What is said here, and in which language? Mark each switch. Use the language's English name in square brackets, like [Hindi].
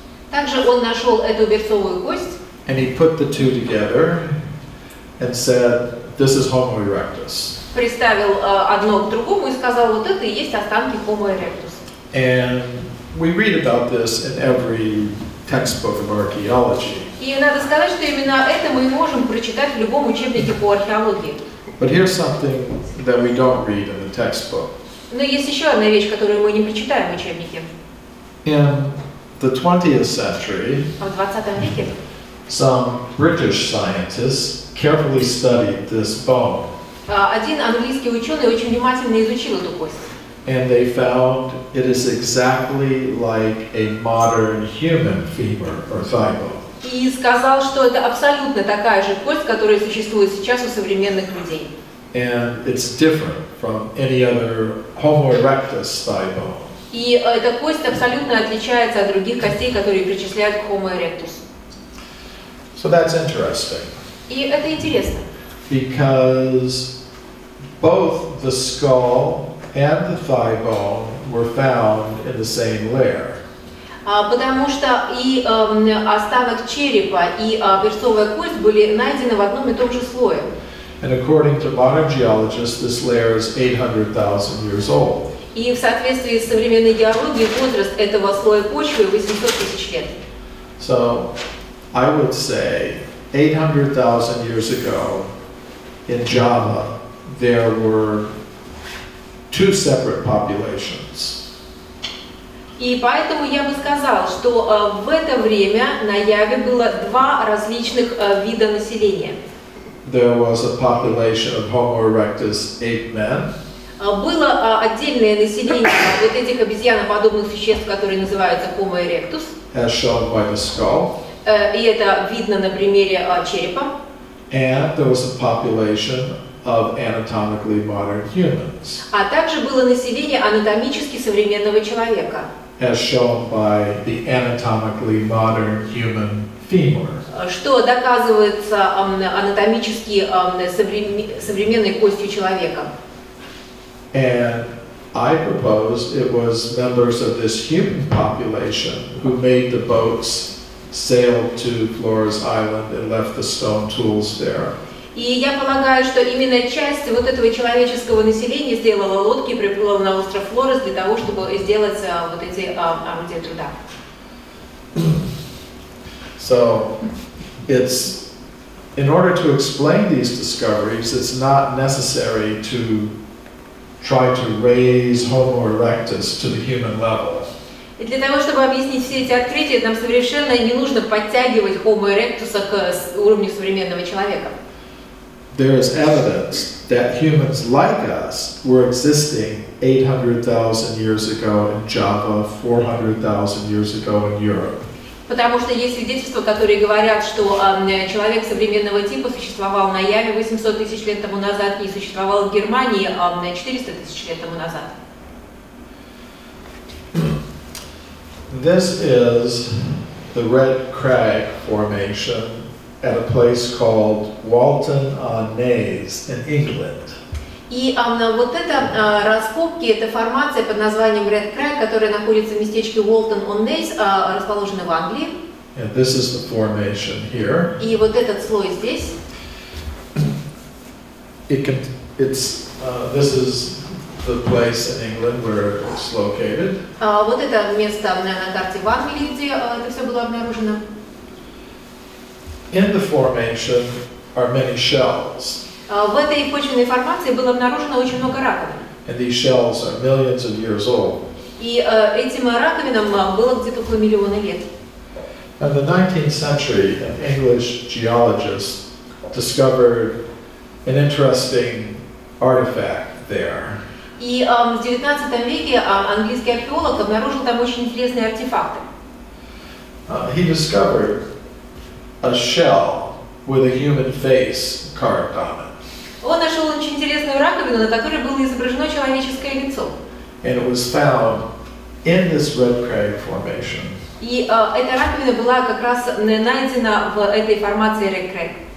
[Russian] Также он нашел эту берцовую кость. [English] And he put the two together and said, "This is Homo erectus." [Russian] Представил одно к другому и сказал, вот это и есть останки Homo erectus. [English] And we read about this in every textbook of archaeology. [Russian] И надо сказать, что именно это мы можем прочитать в любом учебнике по археологии. [English] But here's something that we don't read in the textbook. [Russian] Но есть еще одна вещь, которую мы не прочитаем в учебнике. [English] In the 20th century, [Russian] в 20 веке, [English] some British scientists carefully studied this bone. [Russian] Один английский ученый очень внимательно изучил эту кость. [English] And they found it is exactly like a modern human femur or thigh bone. [Russian] И сказал, что это абсолютно такая же кость, которая существует сейчас у современных людей. [English] And it's different from any other Homo erectus thigh bone. [Russian] И эта кость абсолютно отличается от других костей, которые причисляют к Homo erectus. [English] So that's interesting. [Russian] И это интересно. [English] Because Both the skull and the thigh bone were found in the same layer. [Russian] Потому что и остаток черепа, и берцовая кость были найдены в одном и том же слое. [English] And according to modern geologists, this layer is 800,000 years old. [Russian] И в соответствии с современной геологией, возраст этого слоя почвы 800 тысяч лет. [English] So, I would say, 800,000 years ago, in Java, there were two separate populations. [Russian] И поэтому я бы сказал, что в это время на Яве было два различных вида населения. [English] There was a population of Homo erectus ape men. [Russian] Было отдельное население вот этих обезьяноподобных существ, которые называются Homo erectus. [English] As shown by the skull. [Russian] И это видно на примере черепа. [English] And there was a population of anatomically modern humans. [Russian] А также было население анатомически современного человека. [English] As shown by the anatomically modern human femur. [Russian] Что доказывается анатомически современной костью человека. [English] And I propose it was members of this human population who made the boats sail to Flores Island and left the stone tools there. [Russian] И я полагаю, что именно часть вот этого человеческого населения сделала лодки и приплыла на остров Флорес для того, чтобы сделать вот эти орудия труда. [English] So, it's in order to explain these discoveries, it's not necessary to try to raise Homo erectus to the human level. [Russian] И для того, чтобы объяснить все эти открытия, нам совершенно не нужно подтягивать Homo erectus к уровню современного человека. [English] There is evidence that humans like us were existing 800,000 years ago in Java, 400,000 years ago in Europe. [Russian] Потому что есть свидетельства, которые говорят, что человек современного типа существовал на Яве 800 тысяч лет тому назад и существовал в Германии 400 тысяч лет тому назад. [English] This is the Red Crag Formation at a place called Walton-on-Naze in England. [Russian] И вот это раскопки, это формация под названием Red Crag, которая находится в местечке Walton-on-Naze, расположенной в Англии. [English] And this is the formation here. [Russian] И вот этот слой здесь. [English] This is the place in England where it's located. [Russian] Вот это место на карте в Англии, где это все было обнаружено. [English] In the formation are many shells. [Russian] В этой почвенной формации было обнаружено очень много раковин. [English] And these shells are millions of years old. [Russian] И этим раковинам было где-то около миллиона лет. [English] In the 19th century, an English geologist discovered an interesting artifact there. [Russian] И в 19 веке английский археолог обнаружил там очень интересные артефакты. [English] He discovered a shell with a human face carved on it. [Russian] Он нашел очень интересную раковину, на которой было изображено человеческое лицо. [English] And it was found in this Red Crag formation. [Russian] И эта раковина была как раз найдена в этой формации Red Crag.